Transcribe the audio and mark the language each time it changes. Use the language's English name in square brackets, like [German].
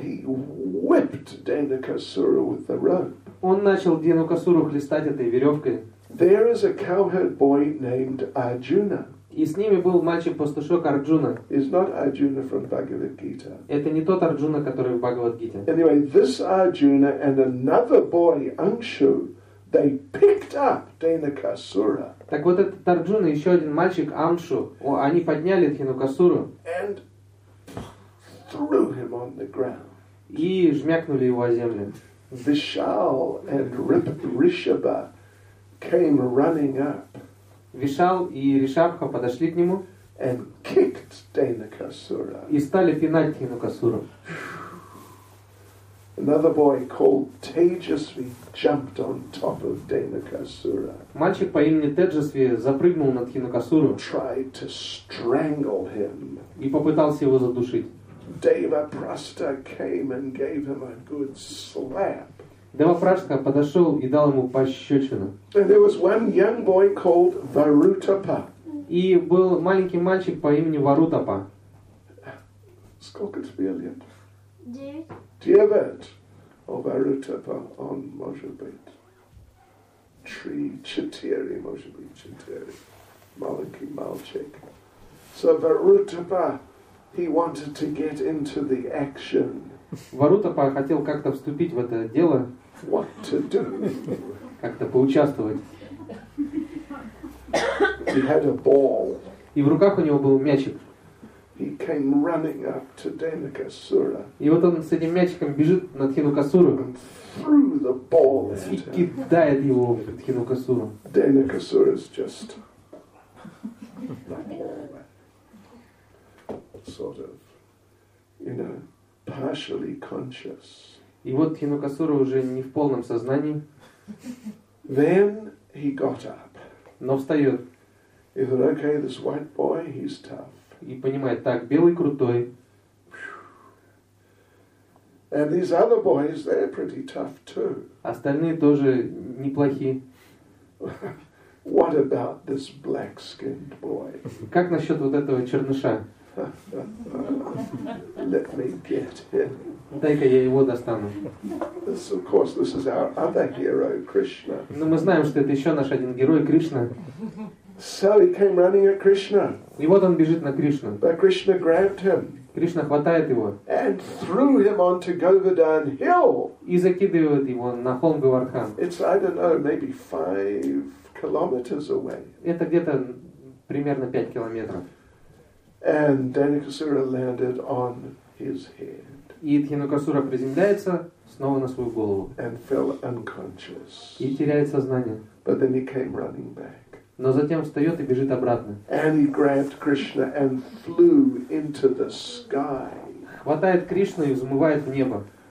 [English] He whipped Dainakasura with the rope. [Russian] Он начал Дейнакасуру хлестать этой веревкой. [English] There is a cowherd boy named Arjuna. [Russian] И с ними был мальчик-пастушок Арджуна. [English] It's not Arjuna from Bhagavad Gita. [Russian] Это не тот Арджуна, который в Бхагавад Гите. [English] Anyway, this Arjuna and another boy, Anshu, they picked up Dainakasura. [Russian] Так вот этот Арджуна и еще один мальчик Амшу, они подняли Дейнакасуру. [English] And threw him on the ground. [Russian] И жмякнули его о землю. [English] Vishal and Rishabha came running up. [Russian] Вишал и Ришабха подошли к нему [English] and kicked Dainakasura. [Russian] И стали пинать Дейнакасуру. [English] Another boy called Tejasvi jumped on top of Dainakasura. [Russian] Мальчик по имени Теджасви запрыгнул на Дейнакасуру. [English] Tried to strangle him. [Russian] И попытался его задушить. [English] Devaprastha came and gave him a good slap. [Russian] Девапрастха подошел и дал ему пощечину. [English] And there was one young boy called Varutapa. [Russian] И был маленький мальчик по имени Варутапа. Сколько тебе лет? 9. О, Варутапа, он может быть 3-4, может быть 4. Маленький мальчик. [English] So Варутапа, he wanted to get into the action. [Russian] Варутапа хотел как-то вступить в это дело. [English] What to do? [Russian] Как-то поучаствовать. [English] He had a ball. [Russian] И в руках у него был мячик. [English] He came running up to Deinakasura. [Russian] И вот он с этим мячиком бежит на Тхинокасуру. [English] And threw the ball at him. [Russian] И кидает его в Тхинокасуру. [English] Deinakasura is just sort of, you know, partially conscious. [Russian] И вот Тхинокасура уже не в полном сознании. [English] Then he got up. [Russian] Но встает. [English] He said, okay, this white boy, he's tough. [Russian] И понимает, так, белый крутой. [English] And these other boys, they're pretty tough too. [Russian] Остальные тоже неплохи. [English] What about this black-skinned boy? [Russian] Как насчет вот этого черныша? [English] Let me get him. [Russian] Дай-ка я его достану. [English] This, of course, this is our other hero, Krishna. [Russian] Ну, мы знаем, что это еще наш один герой, Кришна. [English] So he came running at Krishna. [Russian] И вот он бежит на Кришну. [English] But Krishna grabbed him. [Russian] Кришна хватает его. [English] And threw him onto Govardhan Hill. [Russian] И закидывает его на холм Говардхан. [English] It's, I don't know, maybe 5 kilometers away. [Russian] Это где-то примерно 5 километров. [English] And Deinakasura landed on his head. [Russian] И Тхинокасура приземляется снова на свою голову. [English] And fell unconscious. [Russian] И теряет сознание. [English] But then he came running back. [Russian] Но затем встает и бежит обратно. [English] And he grabbed Krishna and flew into the sky. [Russian] Хватает Кришну и взмывает в небо.